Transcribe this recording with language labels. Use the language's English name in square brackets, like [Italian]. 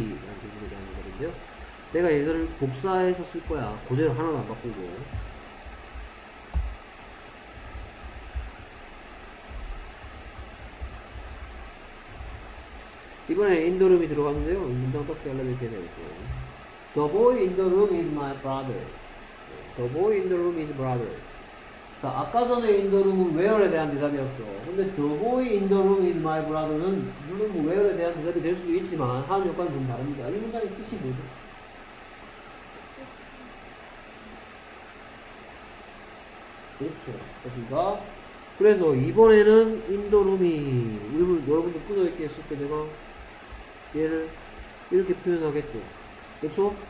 [Korean] 라는 질문에 대한 대답인데요. 내가 얘를 복사해서 쓸 거야. 고대로 하나도 안 바꾸고. 이번에 [English] in the room [Korean] 이 들어갔는데요. 문장 어떻게 하려면 이렇게 되겠죠. [English] The boy in the room is my brother. The boy in the room is brother. [Korean] 자, 아까 전에 인더룸은 웨어에 대한 대답이었어. 근데 [English] the boy in the room is my brother [Korean] 는 물론 뭐 웨어에 대한 대답이 될 수도 있지만 하는 역할은 좀 다릅니다. 이 문장의 뜻이 뭐죠? 그렇죠. 그렇습니까? 그래서 이번에는 [English] in the room [Korean] 이 여러분도 끊어 있게 했을 때 내가 얘를 이렇게 표현하겠죠. 그렇죠?